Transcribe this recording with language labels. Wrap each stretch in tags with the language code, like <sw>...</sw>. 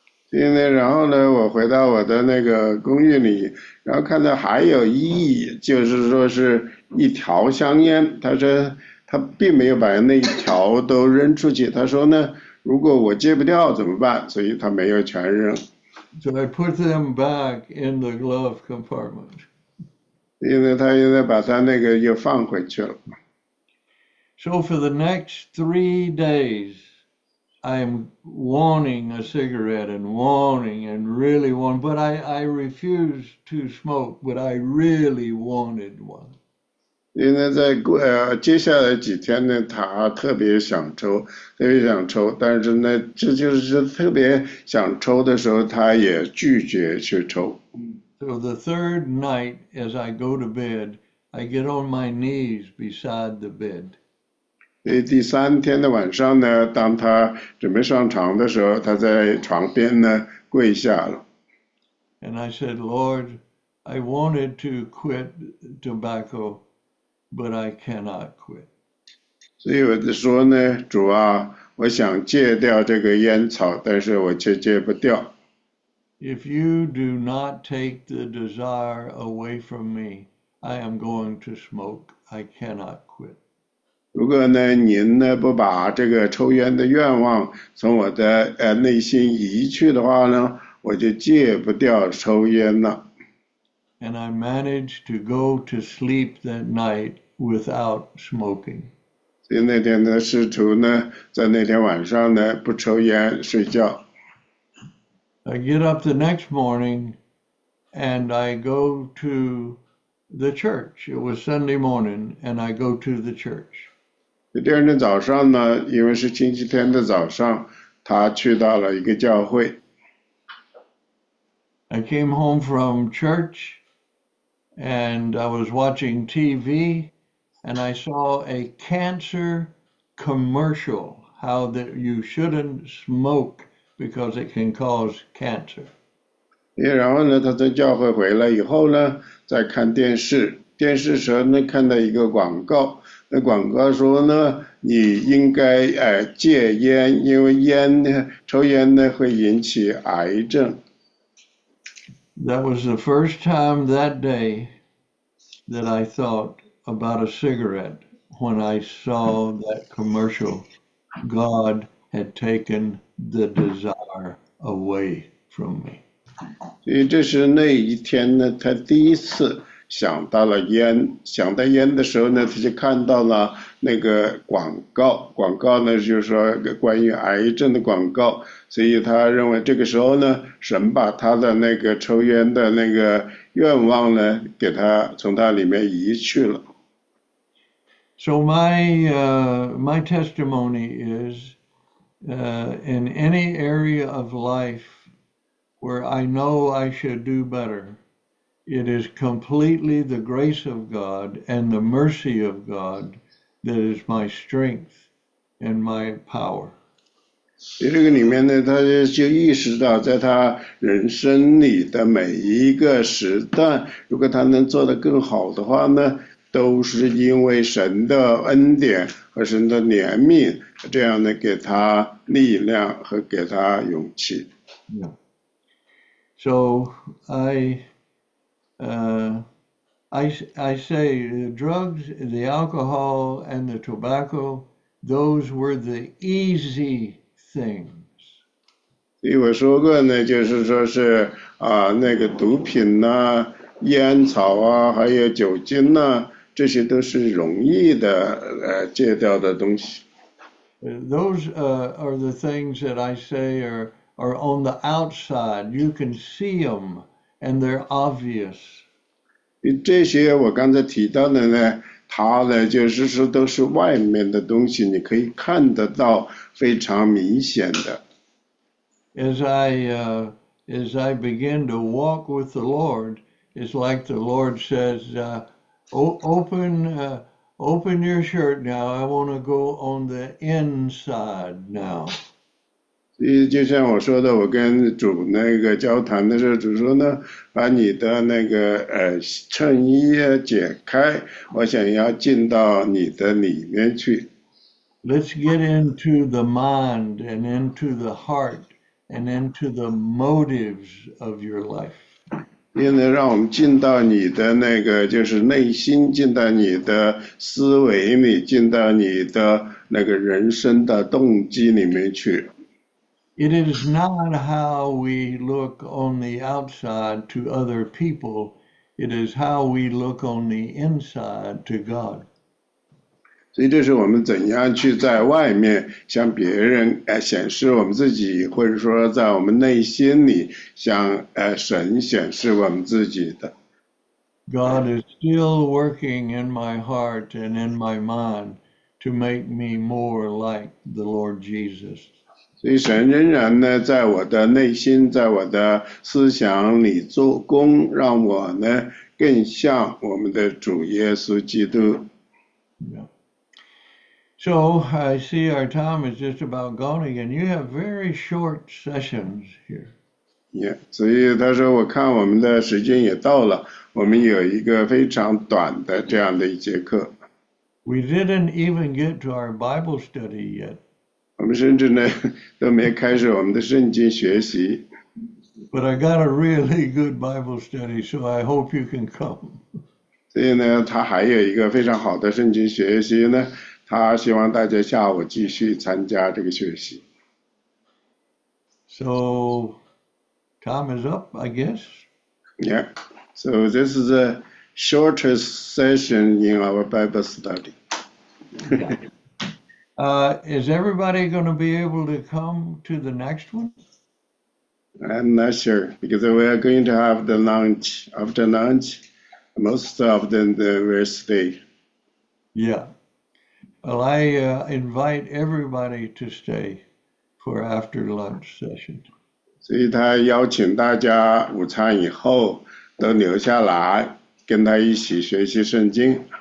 <zh>现在，然后呢，我回到我的那个公寓里，然后看到还有一，就是说是一条香烟。他说他并没有把那一条都扔出去。他说呢，如果我戒不掉怎么办？所以他没有全扔。</zh> <en>So I put them back in the glove compartment.</en> <zh>现在他又在把他那个又放回去了。</zh> <en>So for the next 3 days, I'm wanting a cigarette and wanting and really want, but I refuse to smoke, but I really wanted one.</en> <zh>因为在过接下来几天呢，他特别想抽，特别想抽，但是呢，这就是特别想抽的时候，他也拒绝去抽。</zh> <en>So the third night, as I go to bed, I get on my knees beside the bed.</en> <zh>所以第三天的晚上呢，当他准备上床的时候，他在床边呢跪下了。</zh> <en>And I said, Lord, I wanted to quit tobacco, but I cannot quit.</en> <zh>所以我就说呢，主啊，我想戒掉这个烟草，但是我却戒不掉。</zh> <en>If you do not take the desire away from me, I am going to smoke. I cannot quit.</en> <zh>如果呢，您呢不把这个抽烟的愿望从我的内心移去的话呢，我就戒不掉抽烟了。</zh> <en>And I managed to go to sleep that night without smoking.</en> <zh>所以那天呢，试图呢，在那天晚上呢，不抽烟睡觉。</zh> <en>I get up the next morning and I go to the church. It was Sunday morning and I go to the church.</en> <zh>第二天早上呢，因为是星期天的早上，他去到了一个教会。</zh> <en>I came home from church and I was watching TV and I saw a cancer commercial, how that you shouldn't smoke. Because it can cause cancer.</en> <zh>然后呢，他从教会回来以后呢，在看电视，电视时候呢看到一个广告，那广告说呢，你应该戒烟，因为烟呢，抽烟呢会引起癌症。</zh> <en>That was the first time that day that I thought about a cigarette when I saw that commercial, God had taken the desire away from me.</en> <zh>所以这是那一天呢，他第一次想到了烟，想到烟的时候呢，他就看到了那个广告，广告呢就是说关于癌症的广告，所以他认为这个时候呢，神把他的那个抽烟的那个愿望呢，给他从他里面移去了。</zh> <en>So my testimony is. In any area of life where I know I should do better, it is completely the grace of God and the mercy of God that is my strength and my power.</en> <zh>在这个里面呢，他就意识到，在他人生里的每一个时段，如果他能做得更好的话呢，都是因为神的恩典和神的怜悯，这样呢给他力量和给他勇气。</zh> <en>Yeah. So I say the drugs, the alcohol, and the tobacco, those were the easy things.</en> <zh>所以我说过呢，就是说是那个毒品呐、烟草啊，还有酒精呐、这些都是容易的戒掉的东西。</zh> <en>Those are the things that I say are on the outside. You can see them and they're obvious.</en> <zh>这些我刚才提到的呢，它呢就是说都是外面的东西，你可以看得到，非常明显的。</zh> <en>As I begin to walk with the Lord, it's like the Lord says, Open your shirt now. I want to go on the inside now.</en> <zh>就像我说的，我跟主那个交谈的时候，主说呢，把你的那个衬衣啊解开，我想要进到你的里面去。</zh> <en>Let's get into the mind and into the heart and into the motives of your life.</en> <zh>因为让我们进到你的那个，就是内心，进到你的思维里，进到你的那个人生的动机里面去。</zh> <en>It is not how we look on the outside to other people, it is how we look on the inside to God.</en> <zh>所以这是我们怎样去在外面向别人显示我们自己，或者说在我们内心里向神显示我们自己的。</zh> <en>God is still working in my heart and in my mind to make me more like the Lord Jesus.</en> <zh>所以神仍然呢在我的内心，在我的思想里做工，让我呢更像我们的主耶稣基督。</zh> <en>So I see our time is just about gone again. You have very short sessions here.</en> <zh>Yeah，所以他说，我看我们的时间也到了，我们有一个非常短的这样的一节课，</zh> <en>We didn't even get to our Bible study yet.</en> <zh>我们甚至呢都没开始我们的圣经学习。</zh> <en>But I got a really good Bible study, so I hope you can come.</en> <zh>所以呢，他还有一个非常好的圣经学习呢，他希望大家下午继续参加这个学习。</zh> <en>So, time is up, I guess. Yeah, so this is the shortest session in our Bible study. Yeah. Is everybody going to be able to come to the next one? I'm not sure because we are going to have the lunch. After lunch, most of them will stay. Yeah. Well, I invite everybody to stay for after lunch session.</en> <zh>所以他邀请大家午餐以后都留下来，跟他一起学习圣经。</zh>